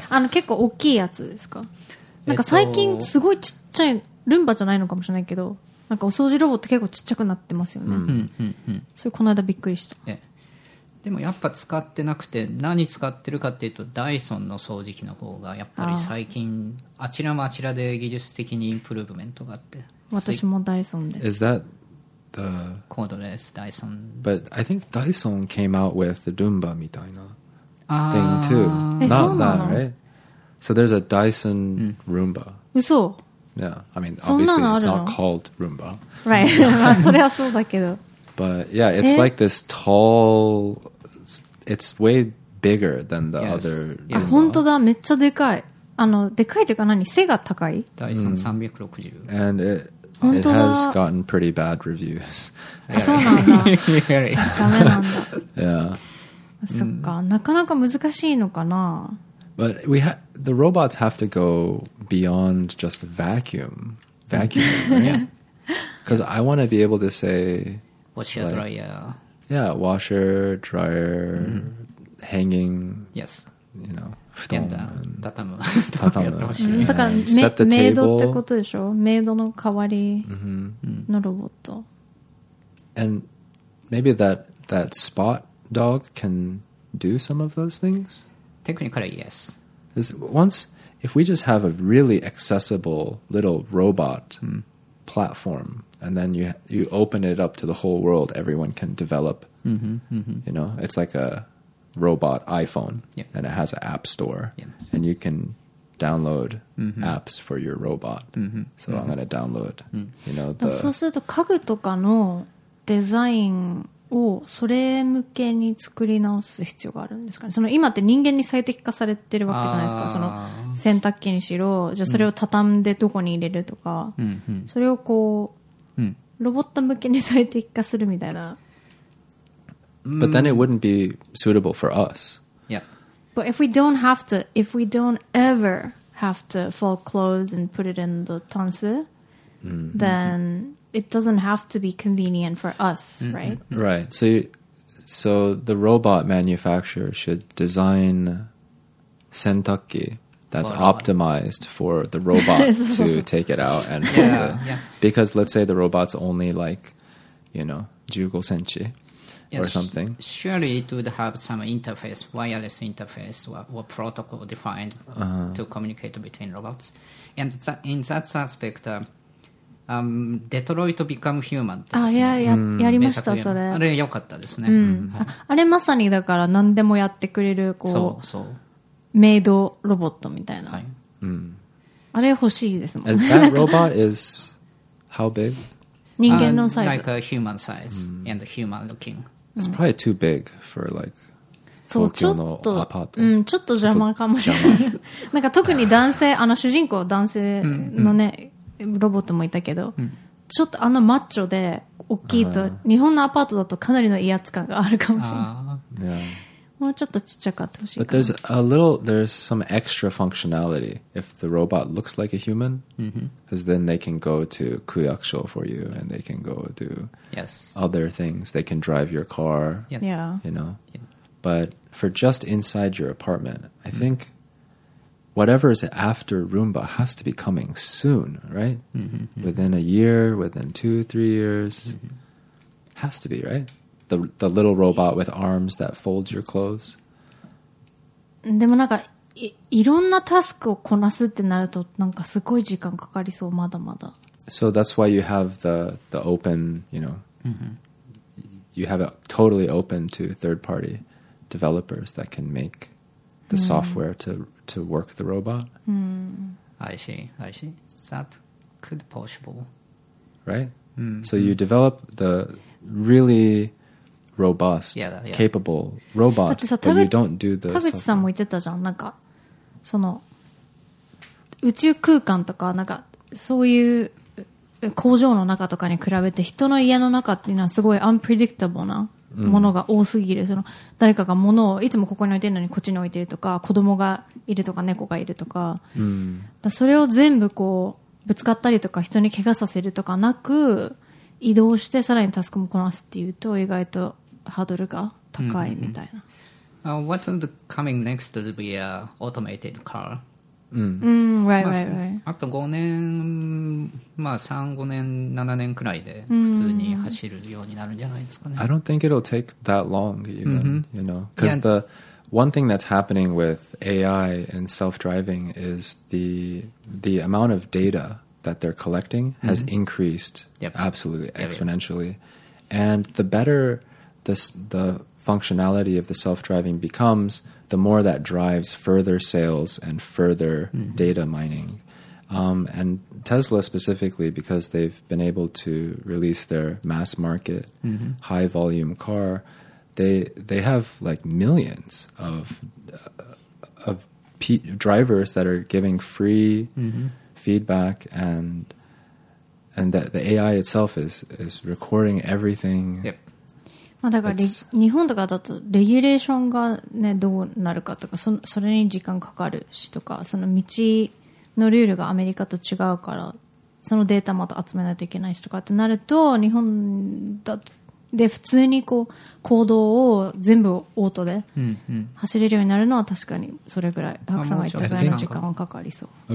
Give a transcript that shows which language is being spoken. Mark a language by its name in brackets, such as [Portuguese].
[Japanese] 結構大きいやつですか？なんか最近すごいちっちゃい、ルンバじゃないのかもしれないけど、なんかお掃除ロボット結構ちっちゃくなってますよね。それこの間びっくりした、でもやっぱ使ってなくて、何使ってるかっていうとダイソンの掃除機の方がやっぱり最近 あちらもあちらで技術的にインプルーブメントがあって。私もダイソンです。 [English] Is that the [Japanese] コードレスダイソン？ [English] But I think ダイソン came out with the [Japanese] ルンバみたいな [English] thing too. Not that, right? So there's a Dyson Roomba. [Japanese] Uso. [English] Yeah, I mean, obviously it's not called Roomba. Right. [Japanese] それはそうだけど。 [English] But yeah, it's like this tall. It's way bigger than the other. [Japanese] あ、本当だ。めっちゃでかい。でかいというか何？背が高い？ [English] Dyson 360. And it has gotten pretty bad reviews. [Japanese] あ、そうなんだ。ダメなんだ。 [English] Yeah. [Japanese] そっか。なかなか難しいのかな。 [English] But the robots have to go beyond just vacuum, right? Because I want to be able to say... Washer, like, dryer. Yeah, washer, dryer, hanging. Yes. You know, 布団 and [Japanese] tatamu. Tatamu. [English] Set the table. [Japanese] Maid の代わりのロボット。 [English] And maybe that spot dog can do some of those things? Technically, yes. If we just have a really accessible little robot platform, and then you open it up to the whole world, everyone can develop. You know, it's like a robot iPhone, and it has an app store, and you can download apps for your robot. I'm going to download. [Japanese] そうすると家具とかのデザインをそれ向けに作り直す必要があるんですかね。その今って人間に最適化されてるわけじゃないですか。その洗濯機にしろ、じゃあそれを畳んでどこに入れるとか、それをこう、ロボット向けに最適化するみたいな。 [English] But then it wouldn't be suitable for us. Yeah. But if we don't ever have to fold clothes and put it in the tansu, then... It doesn't have to be convenient for us, right? Right. So the robot manufacturer should design sentaki that's optimized for the robot to take it out and hold it. Because let's say the robot's only like, you know, 15 cm or something. Surely it would have some interface, wireless interface or protocol defined to communicate between robots. And in that aspect... [Japanese] デトロイトビカムヒューマンって、ね、やりました。それあれ良かったですね、あれまさにだから何でもやってくれるこう、そうメイドロボットみたいな、はい、あれ欲しいですもん。 [English] That robot is how big? [Japanese] 人間のサイズ、 [English] like a human size、and human looking、 It's probably too big for like [Japanese] 東京のアパート。ちょっと邪魔かもしれないなんか特に男性主人公男性のね、ロボットもいたけど、ちょっとマッチョで大きいと日本のアパートだとかなりの威圧感があるかもしれない。 [English] Yeah. [Japanese] もうちょっとちっちゃかってほしいかな。 [English] But there's a little, there's some extra functionality if the robot looks like a human, because then they can go to kuyakusho for you and they can go do other things. They can drive your car, you know. But for just inside your apartment, I think whatever is after Roomba has to be coming soon, right? Within a year, within 2-3 years, has to be, right? The little robot with arms that folds your clothes. [Japanese] でもなんか いろんなタスクをこなすってなるとなんかすごい時間かかりそう、まだまだ。 [English] So that's why you have the open, you know, you have it totally open to third party developers that can make the software to work the robot. I see. That could be possible. Right? So you develop the really robust, capable robot, but you don't do the software. [Japanese] 田口さんも言ってたじゃん。なんか、その、宇宙空間とか、なんか、そういう工場の中とかに比べて、人の家の中っていうのはすごい unpredictable な。ものが多すぎる。その誰かが物をいつもここに置いてるのにこっちに置いてるとか、子供がいるとか猫がいるとか、だからそれを全部こうぶつかったりとか人に怪我させるとかなく移動してさらにタスクもこなすっていうと意外とハードルが高いみたいな。 [English] What's coming next to be a automated car? Right. [Japanese] あと5年、まあ3、5年、7年くらいで普通に走るようになるんじゃないですかね。 [English] I don't think it'll take that long even, you know. Because the one thing that's happening with AI and self-driving is the amount of data that they're collecting has increased absolutely exponentially. And the better the functionality of the self-driving becomes, the more that drives further sales and further data mining. And Tesla specifically, because they've been able to release their mass market, high volume car, they have like millions of drivers that are giving free feedback, and that the AI itself is recording everything. Yep. [Japanese] まあ、だから日本とかだとレギュレーションが、ね、どうなるかとか それに時間かかるしとか、その道のルールがアメリカと違うから、そのデータまた集めないといけないしとかってなると、日本だとで普通にこう行動を全部オートで走れるようになるのは確かにそれぐらい、ハクさんが言ったぐらいの時間はかかりそう。